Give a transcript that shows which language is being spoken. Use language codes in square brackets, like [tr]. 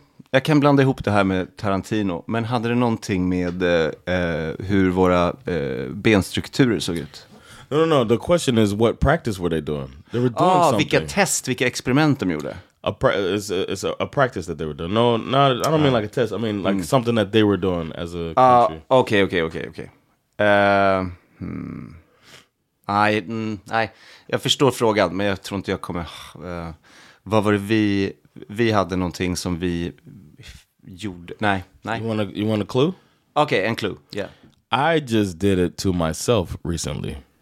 [sv] Jag kan blanda ihop det här med Tarantino, men hade det någonting med hur våra benstrukturer såg ut? [en] No. The question is, what practice were they doing? They were doing something. [sv] Vilka test, vilka experiment de gjorde? [en] It's a practice that they were doing. No, not. I don't mean like a test. I mean like something that they were doing as a country. Okay. [sv] Jag förstår frågan, men jag tror inte jag kommer. Vad var det vi hade någonting som vi gjorde? Nej. [en] You want a clue? Okay, en clue. Yeah. I just did it to myself recently.